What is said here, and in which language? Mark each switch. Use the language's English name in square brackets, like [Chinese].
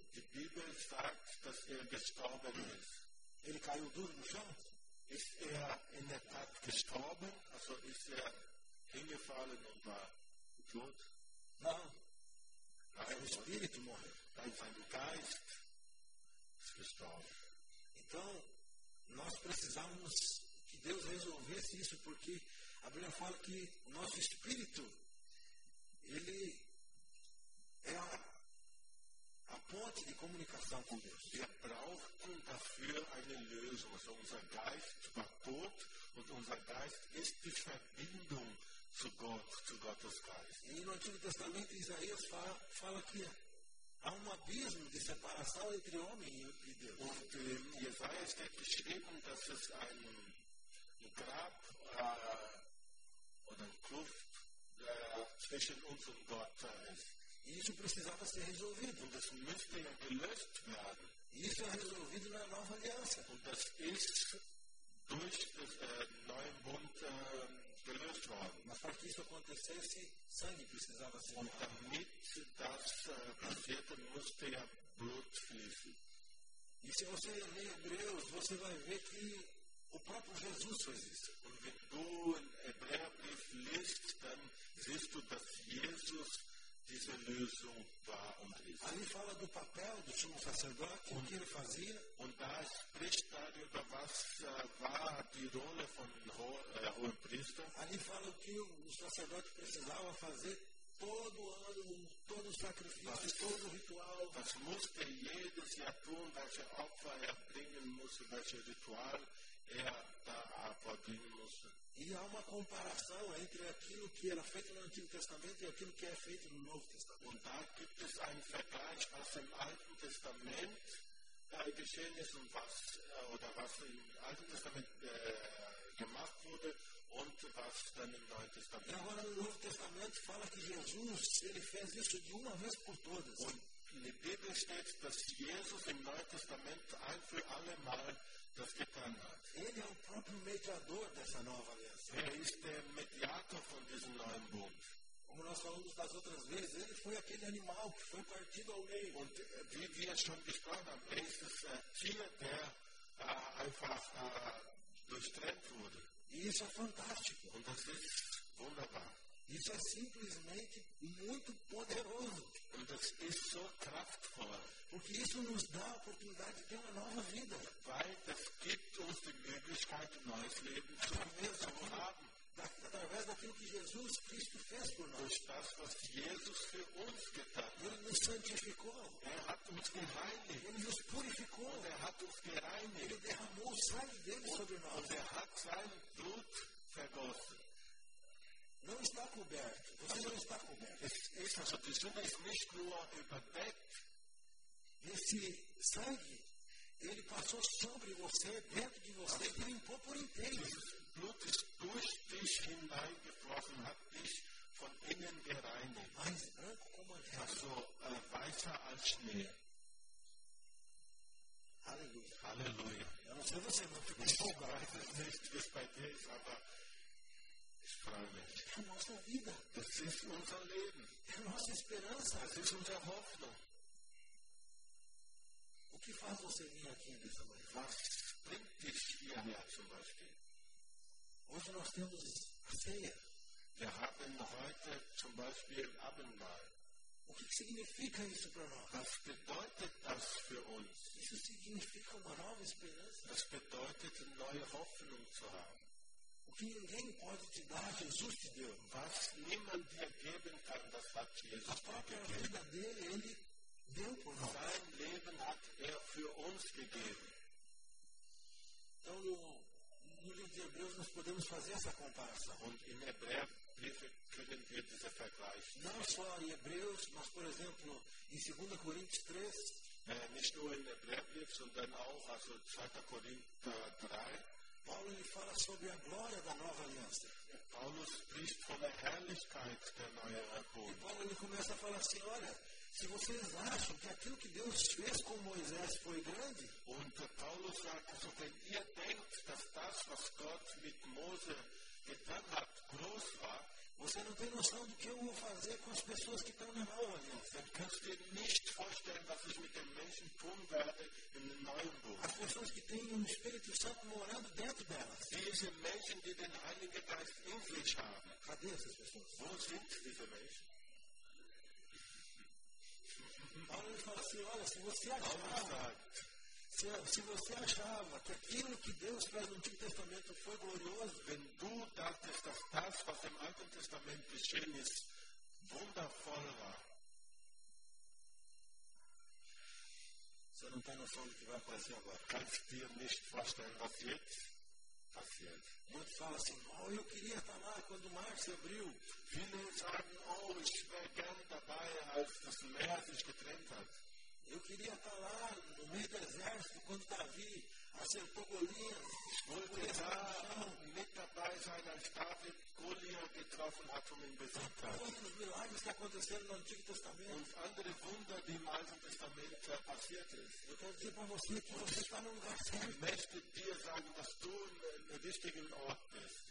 [German] Die Bibel sagt, dass gestorben ist. [Portuguese] Ele caiu duro no chão? [German] Ist in der Tat gestorben? Also ist hingefallen und war tot? [Portuguese] Não. O espírito morreu. [German] Sein Geist ist gestorben. [Portuguese] Então, nós precisamos que Deus resolvesse isso, porque a Bíblia fala que o nosso espírito, ele é a ponte de comunicação com Deus. [German] Wir brauchen dafür eine Lösung. Also, unser Geist war tot und unser Geist ist die Verbindung zu Gott, zu Gottes Geist. [Portuguese] E no Antigo Testamento, Isaías fala que há abismo de separação entre homem e Deus. [German] Und in Jesaja steht geschrieben, dass es ein Grab oder ein Kluft zwischen uns und Gott ist. [Portuguese] E isso precisava ser resolvido. [German] Und das müsste ja gelöst werden. [Portuguese] E isso é resolvido na nova aliança. [German] Und das ist durch das neue Bund gelöst worden. [Portuguese] Mas para que isso acontecesse, sangue precisava ser derramado. [German] Damit das passierte, musste ja Blut fließen. [Portuguese] E se você ler Hebreus, você vai ver que o próprio Jesus fez isso. [German] Und wenn du in Hebräerbrief liest, dann siehst du, dass Jesus diese Lösung war und ist. [Portuguese] Ali fala do papel do sumo sacerdote, o que ele fazia. [German] Und da spricht darüber, was war die Rolle von hohen Priester. [Portuguese] Ali fala o que o sacerdote precisava fazer todo ano, todo sacrifício, was, todo ritual. [German] Was musste jedes Jahr tun, welche Opfer bringen musste, welche Ritual da abordieren musste. [Portuguese] E há uma comparação entre aquilo que era feito no Antigo Testamento e aquilo que é feito no Novo Testamento. [German] Und da gibt es einen Vergleich, was im Alten Testament geschehen ist und was im Alten Testament gemacht wurde und was dann im Neuen Testament. [Portuguese] E agora no Novo Testamento fala que Jesus, ele fez isso de uma vez por todas. [German] Und in der Bibel steht, dass Jesus im Neuen Testament ein für alle Mal das getan hat. [Portuguese] Ele é o próprio mediador dessa nova aliança. [German] Er ist der Mediator von diesem neuen Bund. [Portuguese] Como nós falamos das outras vezes, ele foi aquele animal que foi partido ao meio. [German] Und wie wir schon gesprochen haben, er ist das Tier, der einfach durchtrennt wurde. [Portuguese] E isso é fantástico. [German] Und das ist wunderbar. [Portuguese] Isso é simplesmente muito poderoso. [German] Und das ist so kraftvoll. [Portuguese] Porque isso nos dá a oportunidade de ter uma nova vida. [German] Weil das gibt uns die Möglichkeit, neues Leben zu haben. [Portuguese] Através daquilo que Jesus Cristo fez por nós. [German] Durch das, was Jesus für uns getan hat. [Portuguese] Ele nos santificou. [German] Er hat uns gereinigt. [Portuguese] Ele nos purificou. [German] Und er hat uns gereinigt. [Portuguese] Ele derramou o sangue dele sobre nós. [German] Und er hat sein Blut vergossen. [Portuguese] Não está coberto. Você não está coberto. Essa sotissuna é [German] nicht nur überdeckt. [Portuguese] Esse sangue, ele passou sobre você, dentro de você, e limpou por inteiro. [German] Dieses Blut ist durch dich hineingeflossen, hat dich von innen gereinigt. [Portuguese] Mais branco como a neve. [German] Also, weißer als Schnee. [Portuguese] Aleluia. Aleluia. Eu não sei você, mas ficou empolgado. Eu não sei se vai ter isso, mas [German] ich freue mich. [Portuguese] É a nossa vida. [German] Das ist unser Leben. [Portuguese] É a nossa esperança. [German] Das ist unsere Hoffnung. [Portuguese] O que faz você vir aqui nessa manhã? [German] Was bringt dich hierher zum Beispiel? [Portuguese] Hoje nós temos a ceia. [German] Wir haben heute zum Beispiel Abendmahl. [Portuguese] O que significa isso para nós? [German] Was bedeutet das für uns? [Portuguese] Isso significa uma nova esperança. [German] Das bedeutet neue Hoffnung zu haben. [Portuguese] O que ninguém pode te dar, Jesus te deu. [German] Was niemand dir geben kann, das hat Jesus [Portuguese] a própria vida dele, ele deu por nós. [German] Sein Leben hat für uns gegeben. [Portuguese] Então, no livro de Hebreus, nós podemos fazer essa comparação. Em Hebreu, [German] können wir diese vergleichen. [Portuguese] Não só em Hebreus, mas, por exemplo, em 2 Coríntios 3. [German] Nicht nur in Hebräerbrief, sondern auch, also 2. Korinther 3. [Portuguese] Paulo fala sobre a glória da nova aliança. [German] Paulo spricht von der Herrlichkeit der neuen Bund. [Portuguese] E Paulo começa a falar assim: olha, se vocês acham que aquilo que Deus fez com Moisés foi grande, [German] und Paulo sagt, so wenn ihr denkt, dass das, was Gott mit Mose getan hat, groß war, [Portuguese] você não tem noção do que eu vou fazer com as pessoas que estão na nova aliança. [German] Dann kannst du nicht vorstellen, was ich mit den Menschen tun werde in dem neuen Bund. [Portuguese] As pessoas que têm o Espírito Santo morando dentro delas. [German] Diese Menschen, die den Heiligen Geist in sich haben. [Portuguese] Cadê essas pessoas? [German] Wo sind diese Menschen? [Portuguese] Paulo fala assim: olha, se você achava, se você achava que aquilo que Deus fez no Antigo Testamento foi glorioso, [German] wenn du dachtest, dass das, was im Alten Testament geschehen ist, wundervoll war, [Portuguese] você não tem noção do que vai acontecer agora. [German] Kannst dir nicht vorstellen, was jetzt passiert. [Portuguese] Muitos falam assim: oh, eu queria estar lá quando o mar se abriu. [German] Viele sagen: oh, ich wäre gerne dabei, als das Meer sich getrennt hat. [Portuguese] Eu queria estar lá no meio do exército quando Davi acertou Golias. [German] Ich wollte da mit dabei sein, als David Goliath getroffen hat, um ihn besiegt hat. [Portuguese] Quantos milagres que aconteceram no Antigo Testamento. [German] Und andere Wunder, die im Alten Testament passiert ist. [Portuguese] Eu quero dizer para você que você está no lugar certo. [German] Ich möchte dir sagen, dass du no richtigen Ort bist.